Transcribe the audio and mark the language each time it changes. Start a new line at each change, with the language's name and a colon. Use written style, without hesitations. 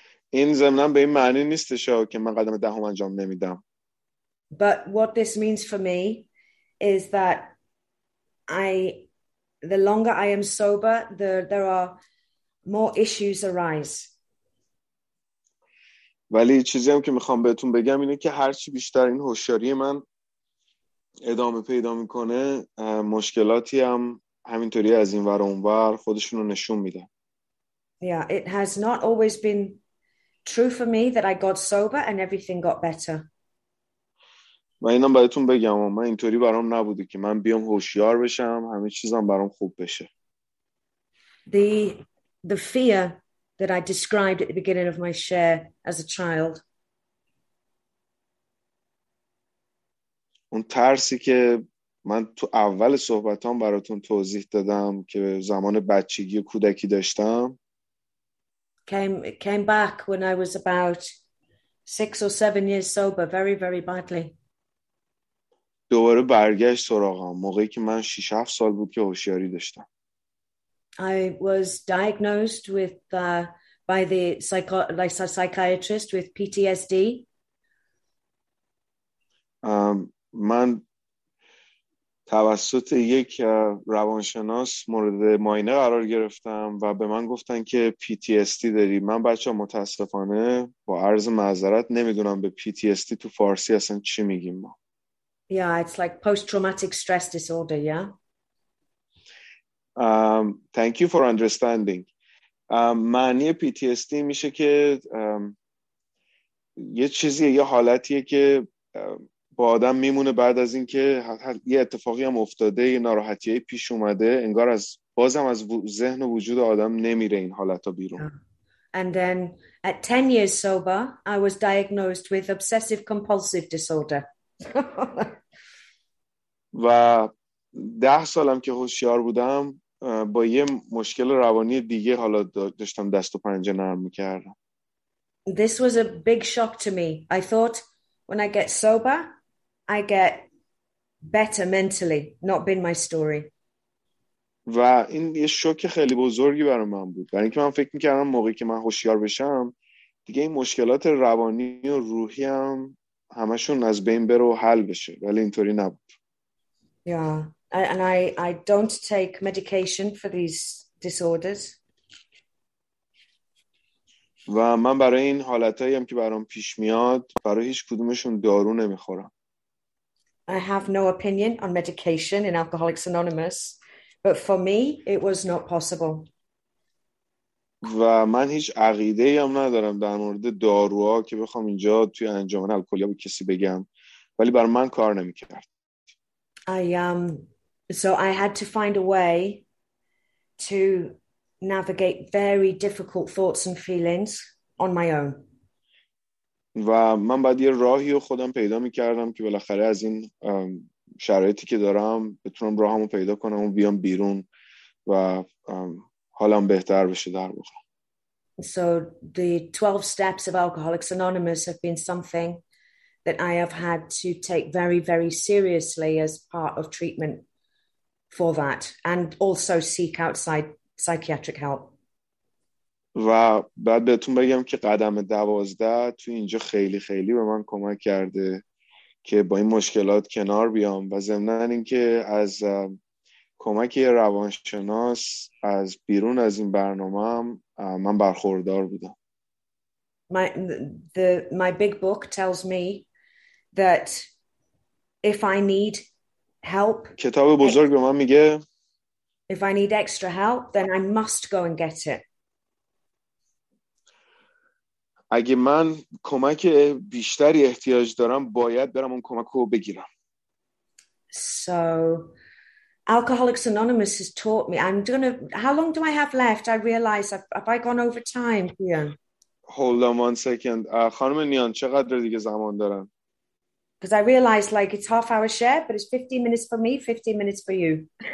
Persian: این ضمناً به این معنی نیستش که من قدم 10 انجام نمیدم.
English: But what this means for me is that I, the longer I am sober, there are more issues arise.
Persian: ولی چیزی هم که میخوام بهتون بگم اینه که هرچی بیشتر این هوشیاری من ادامه پیدا میکنه، مشکلاتی هم همینطوری از این ور اون ور خودشون رو نشون میدن.
English: Yeah, it has not always been true for me that I got sober and everything got better.
Persian: من اینم بهتون بگم، اما من اینطوری برام نبوده که من بیام هوشیار بشم همه چیزم برام خوب بشه.
English: The fear that I described at the beginning of my share as a child.
Persian: اون ترسی که من تو اول صحبتام براتون توضیح دادم که زمان بچگی و کودکی داشتم،
English: Came back when I was about 6 or 7 years sober, very, very badly.
Persian: دوباره برگشت سراغم موقعی که من 6-7 سال بود که هوشیاری داشتم.
English: I was diagnosed with by the psychiatrist with PTSD.
Persian: من توسط یک روانشناس مورد معاینه قرار گرفتم و به من گفتن که PTSD داری. من بچه متاسفانه با عرض معذرت نمیدونم به PTSD تو فارسی اصلا چی میگیم ما.
English: Yeah, it's like post-traumatic stress disorder, yeah. Thank you for understanding.
Persian: معنی PTSD میشه که یه چیزیه، یه حالتیه که با آدم میمونه بعد از اینکه یه اتفاقی هم افتاده، یه ناراحتی های پیش اومده، انگار از بازم از ذهن و وجود آدم نمیره این حالت ها بیرون.
English: And then at 10 years sober, I was diagnosed with obsessive compulsive disorder.
Persian: و 10 سالم که هوشیار بودم با یه مشکل روانی دیگه حالا داشتم دست و پنجه نرم میکردم.
English: This was a big shock to me. I thought when I get sober, I get better mentally. Not been my story.
Persian: و این یه شوک خیلی بزرگی برای من بود، برای اینکه من فکر میکردم موقعی که من هوشیار بشم دیگه این مشکلات روانی و روحی هم همشون از بین بره و حل بشه، ولی اینطوری نبود.
English: Yeah, and I don't take medication for these disorders.
Persian: و من برای این حالتایی هم که برام پیش میاد برای هیچ کدومشون دارو نمیخورم.
English: I have no opinion on medication in Alcoholics Anonymous, but for me, it was not possible.
Persian: و من هیچ عقیده ای هم ندارم در مورد داروها که بخوام اینجا توی انجمن الکلیا به کسی بگم، ولی بر من کار نمی کرد.
English: So I had to find a way to navigate very difficult thoughts and feelings on my own.
Persian: و من بعد یه راهی رو خودم پیدا می کردم که بالاخره از این شرایطی که دارم بتونم راهمو پیدا کنم و بیام بیرون و حالم بهتر بشه در واقع.
English: So the 12 steps of Alcoholics Anonymous have been something that I have had to take very, very seriously as part of treatment for that, and also seek outside psychiatric help.
Persian: و بعد بهتون بگم که قدم 12 تو اینجا خیلی خیلی به من کمک کرده که با این مشکلات کنار بیام، و ضمناً اینکه از کمک یه روانشناس از بیرون از این برنامه هم من برخوردار بودم.
English: My big book tells me that if I need help,
Persian: کتاب بزرگ به من میگه
English: if I need extra help, then I must go and get it.
Persian: اگه من کمک بیشتری احتیاج دارم باید برم اون کمک رو بگیرم.
English: So Alcoholics Anonymous has taught me. I'm gonna. How long do I have left? I realize have I gone over time here. Hold on one second.
Persian: خانم نیان چقدر دیگه زمان دارم؟
English: Because I realized like it's half hour share, but it's 15 minutes for me, 15 minutes for you.